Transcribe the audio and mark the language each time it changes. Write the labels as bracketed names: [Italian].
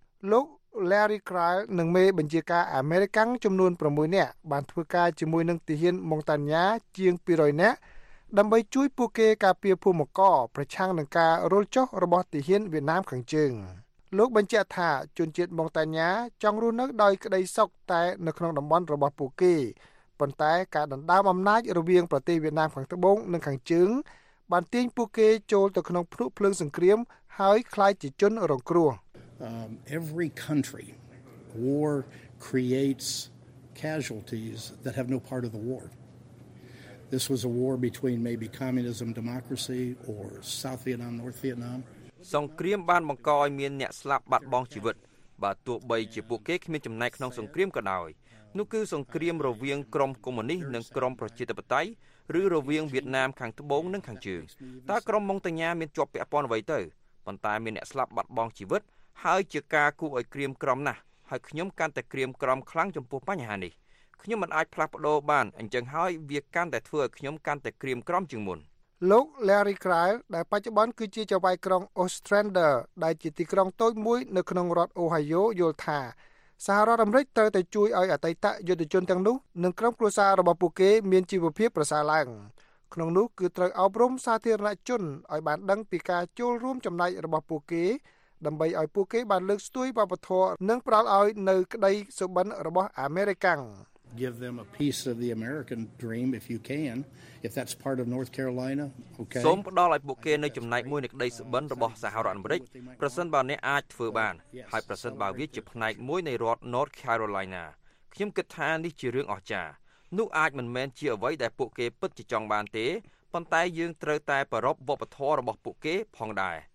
[Khmer] លោក Larry Kyle និងមេបញ្ជាការអាមេរិកាំងចំនួន6នាក់បានធ្វើការជាមួយនឹងទាហាន Montagna ជាង200នាក់ដើម្បីជួយពួកគេការពារភូមិករប្រឆាំងនឹងការរុលចុះរបស់ទាហានវៀតណាមខាងជើងលោកបញ្ជាក់ថាជនជាតិ Montagna ចង់រស់នៅដោយក្តីសុខតែនៅក្នុងតំបន់របស់ពួកគេប៉ុន្តែការដណ្ដើមអំណាចរវាងប្រទេសវៀតណាមខាងត្បូងនិងខាងជើងបានទាញពួកគេចូលទៅក្នុងភ្នក់ភ្លើងសង្គ្រាមហើយក្លាយជាជនរងគ្រោះ [English] Every country war creates casualties that have no part of the war. This was a war between maybe communism democracy or South Vietnam North Vietnam. [Khmer] សង្គ្រាមបានបង្កឲ្យមានអ្នកស្លាប់បាត់បង់ជីវិតបើទោះបីជាពួកគេគ្មានចំណែកក្នុងសង្គ្រាមក៏ដោយនោះគឺសង្គ្រាមរវាងក្រុមកុម្មុយនីសនិងក្រុមប្រជាធិបតេយ្យឬរវាងវៀតណាមខាងត្បូងនិងខាងជើងតើក្រុមម៉ង់តាញ៉ាមានជាប់ពាក់ព័ន្ធអ្វីទៅប៉ុន្តែមានអ្នកស្លាប់បាត់បង់ជីវិតហើយជាការគូឲ្យក្រៀមក្រំណាស់ហើយខ្ញុំកាន់តែក្រៀមក្រំខ្លាំងចំពោះបញ្ហានេះខ្ញុំមិនអាចផ្លាស់ប្ដូរបានអញ្ចឹងហើយវាកាន់តែធ្វើឲ្យខ្ញុំកាន់តែក្រៀមក្រំជាងមុន លោក Larry Kyle ដែលបច្ចុប្បន្នគឺជាចៅហ្វាយក្រុង Ostrander ដែលជាទីក្រុងតូចមួយនៅក្នុងរដ្ឋ Ohio យល់ថាសហរដ្ឋអាមេរិកត្រូវតែជួយឲ្យអតីតយុទ្ធជនទាំងនោះនិងក្រុមគ្រួសាររបស់ពួកគេមានជីវភាពប្រសើរឡើងក្នុងនោះគឺត្រូវអប់រំសាធារណជនឲ្យបានដឹងពីការចូលរួមចំណែករបស់ពួកគេដើម្បីឲ្យពួកគេបានលើកស្ទួយវប្បធម៌និងប្រោលឲ្យនៅក្តីសុបិនរបស់អាមេរិកាំង [English] Give them a piece of the American dream if you can if that's part of North Carolina okay [Khmer] សូមផ្តល់ឲ្យពួកគេនៅចំណែកមួយនៃក្តីសុបិនរបស់សហរដ្ឋអាមេរិកប្រសិនបើអ្នកអាចធ្វើបានហើយប្រសិនបើវាជាផ្នែកមួយនៃរដ្ឋ North Carolina ខ្ញុំគិតថានេះជារឿងអស្ចារ្យនោះអាចមិនមែនជាអ្វីដែលពួកគេពិតជាចង់បានទេប៉ុន្តែយើងត្រូវតែប្រពន្ធវប្បធម៌របស់ពួកគេផងដែរ